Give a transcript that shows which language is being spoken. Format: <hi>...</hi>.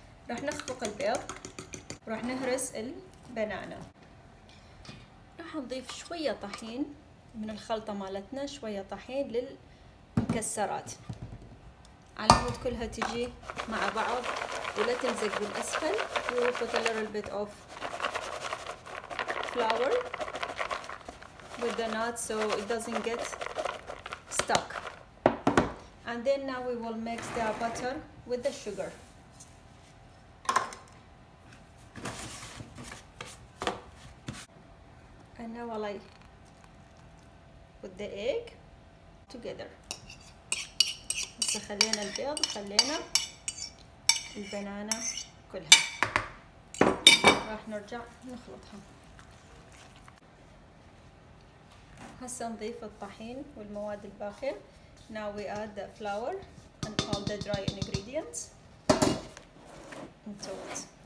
<ar>راح نخفق البيض وراح نهرس البنانة. راح نضيف شوية طحين من الخلطة مالتنا، شوية طحين للمكسرات على مود كلها تجي مع بعض ولا تلزق بالأسفل.</ar> <en>We will put a little bit of flour with the nuts so it doesn't get stuck. And then now we will mix the butter with the sugar. And now I'll put the egg together.</en> <ar>خلينا البيض وخلينا البنانة كلها، راح نرجع نخلطها. هسا نضيف الطحين والمواد الباقية.</ar> <en>Now we add the flour and all the dry ingredients into it.</en>